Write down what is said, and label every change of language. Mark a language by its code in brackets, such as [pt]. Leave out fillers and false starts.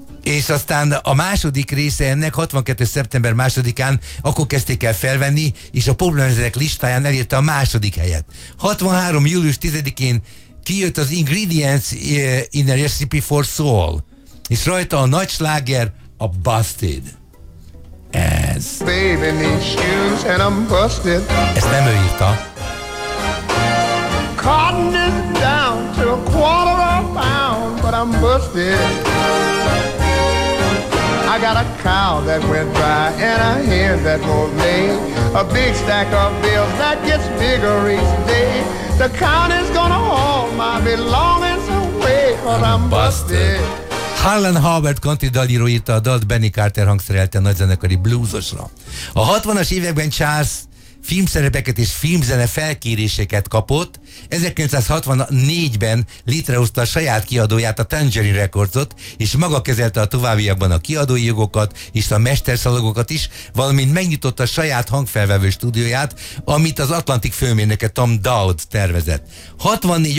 [hu] És aztán a második része ennek 62. szeptember 2-án akkor kezdték el felvenni, és a poplemezek listáján elérte a második helyet. 63. július 10-én kijött az Ingredients in a Recipe for Soul, és rajta a nagy sláger, a Busted. Ez. [en] Baby needs shoes and I'm busted. [hu] Ezt nem ő írta. [en] Cotton is down to a quarter of a pound, but I'm busted. I got a cow that went by and a hen that won't lay. A big stack of bills that gets bigger each day. The count is gonna haul my belongings away, but I'm busted. [hu] Harlan Howard country dalíró írta a dalt, Benny Carter hangszerelte nagyzenekari bluesosra. A 60-as években Charles filmszerepeket és filmzene felkéréseket kapott, 1964-ben létrehozta a saját kiadóját, a Tangerine Recordsot, és maga kezelte a továbbiakban a kiadói jogokat és a mesterszalagokat is, valamint megnyitotta a saját hangfelvevő stúdióját, amit az Atlantic főmérnöke Tom Dowd tervezett. 64.